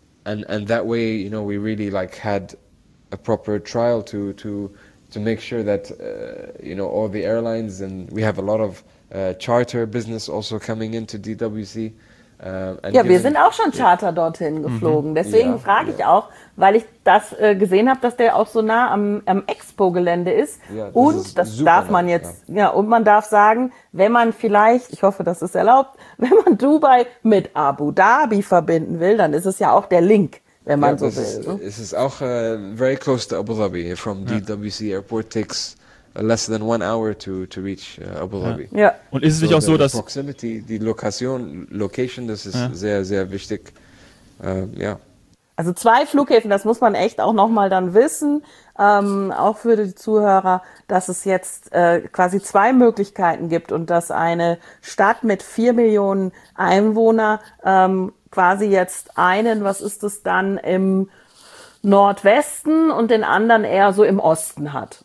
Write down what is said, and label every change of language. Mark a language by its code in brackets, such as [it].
[en] And that way, you know, we really like had a proper trial to make sure that you know, all the airlines, and we have a lot of charter business also coming into DWC. [de] Ja, wir sind auch schon Charter dorthin geflogen. Mhm. Deswegen frage ich auch, weil ich das gesehen habe, dass der auch so nah am Expo-Gelände ist. Ja, und ist das darf man jetzt, ja, und man darf sagen, wenn man vielleicht, ich hoffe, das ist erlaubt, wenn man Dubai mit Abu Dhabi verbinden will, dann ist es ja auch der Link, wenn man so will. Es ist auch [en] very close to [de] Abu Dhabi. [en] From DWC Airport takes less than 1 hour to reach Abu Dhabi. [de] Ja. Ja. Und ist es nicht so, auch so, dass Proximity, die Location, das ist sehr, sehr wichtig. Ja. Also zwei Flughäfen, das muss man echt auch nochmal dann wissen, auch für die Zuhörer, dass es jetzt quasi zwei Möglichkeiten gibt und dass eine Stadt mit 4 Millionen Einwohner quasi jetzt einen, was ist es dann, im Nordwesten und den anderen eher so im Osten hat.